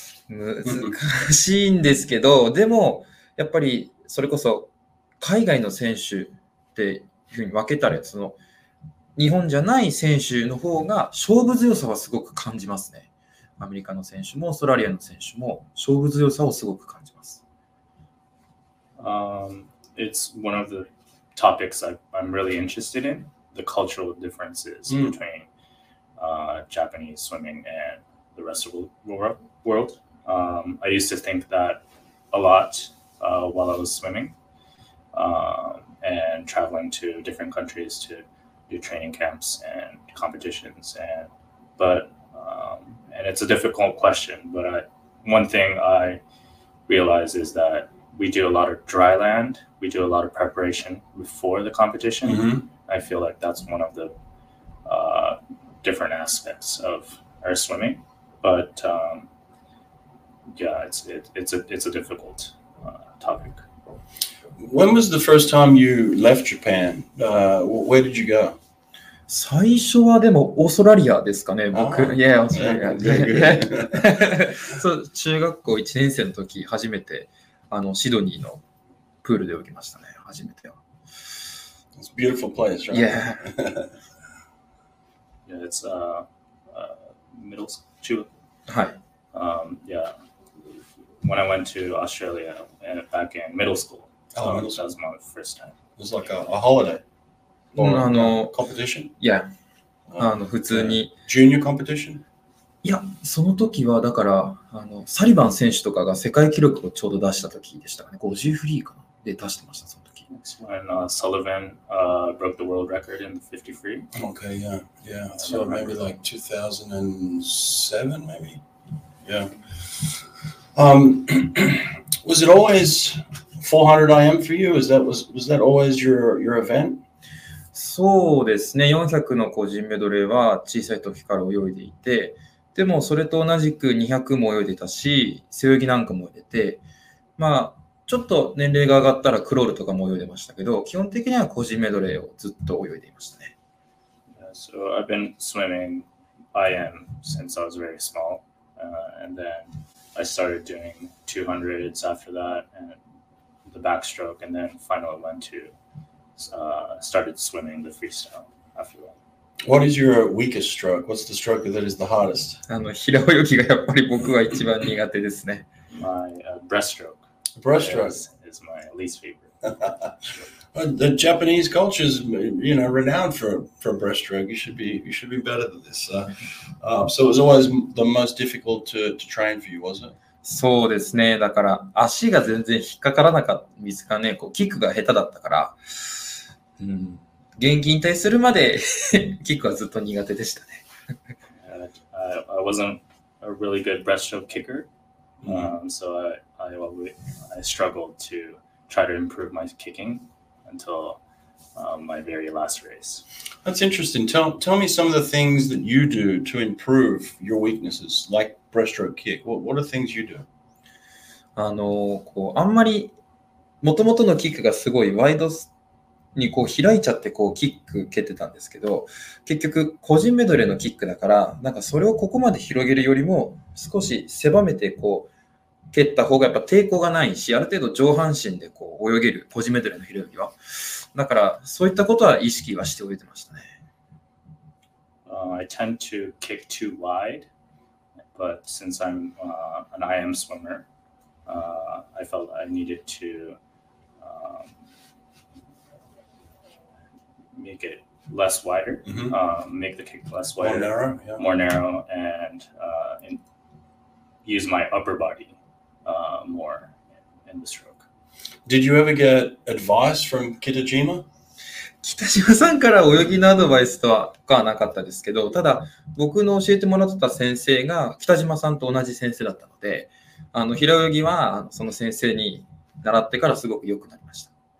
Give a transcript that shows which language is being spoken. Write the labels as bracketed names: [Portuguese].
[Japanese] うな、難しいんですけど、でもやっぱりそれこそ海外の選手っていうふうに分けたら、その日本じゃない選手の方が勝負強さはすごく感じますね。アメリカの選手もオーストラリアの選手も勝負強さをすごく感じます。 [English] It's one of the topics I'm really interested in, the cultural differences between Japanese swimming and the rest of the world. I used to think that a lot while I was swimming and traveling to different countries to do training camps and competitions. And it's a difficult question, but one thing I realize is that we do a lot of dry land. We do a lot of preparation before the competition. Mm-hmm. I feel like that's one of the different aspects of our swimming. But it's a difficult topic. When was the first time you left Japan? Where did you go? [Japanese] 最初はでもオーストラリアですかね、僕。 [English] Oh, yeah, オーストラリアで。 [Japanese] そう、中学校1年生の時初めてあのシドニーのプールで泳ぎましたね、初めては。 [English] It's a beautiful place, right? Yeah. Yeah, it's middle school. [Japanese] はい。 [English] Yeah. When I went to Australia back in middle school, that was my first time. It was like a holiday. Competition? [Japanese] Yeah. 普通に。 [English] Junior competition? [Japanese] いや、その時はだから、サリバン選手とかが世界記録をちょうど出した時でしたかね。50フリーかな。で、出してました、その時。 [English] That's when Sullivan broke the world record in the 50 free. Okay, yeah. Yeah. So maybe like 2007, maybe? Yeah. Was it always 400 IM for you? Was that always your event? [Japanese] そうですね、400の個人メドレーは小さい時から泳いでいて、でもそれと同じく200も泳いでたし、背泳ぎなんかも泳いでて、まあちょっと年齢が上がったらクロールとかも泳いでましたけど、基本的には個人メドレーをずっと泳いでいましたね。 [English] Yeah, so I've been swimming IM since I was very small, and then I started doing 200s after that, and the backstroke, and then finally went toStarted swimming the freestyle after that. What is your weakest stroke? What's the stroke that is the hardest? [Japanese] 平泳ぎがやっぱり僕は一番苦手ですね。 [English] My breaststroke. Breaststroke is my least favorite. The Japanese culture is, you know, renowned for breaststroke. You should be better than this. So it was always the most difficult to train for you, wasn't it? [Japanese] そうですね。だから足が全然引っかからなかった、見つかねえ、こうキックが下手だったから、うん、現役引退するまでキックはずっと苦手でしたね。 [English] I wasn't a really good breaststroke kicker,、so I struggled to try to improve my kicking until my very last race. That's interesting. Tell me some of the things that you do to improve your weaknesses, like. Breaststroke kick. What are things you do? [Japanese] こうあんまり元々のキックがすごいワイドにこう開いちゃってこうキック蹴ってたんですけど、結局個人メドレーのキックだから、なんかそれをここまで広げるよりも少し狭めてこう蹴った方がやっぱ抵抗がないし、ある程度上半身でこう泳げる個人メドレーの平泳ぎは、だからそういったことは意識はして泳いでましたね。 [English] I tend to kick too wide. But since I'm an IM swimmer, I felt I needed to make it less wider, make the kick less wider, more narrow, and use my upper body more in the stroke. Did you ever get advice from Kitajima? [Japanese] 北島さんから泳ぎのアドバイスとはとかはなかったですけど、ただ僕の教えてもらってた先生が北島さんと同じ先生だったので、あの平泳ぎはその先生に習ってからすごく良くなりました。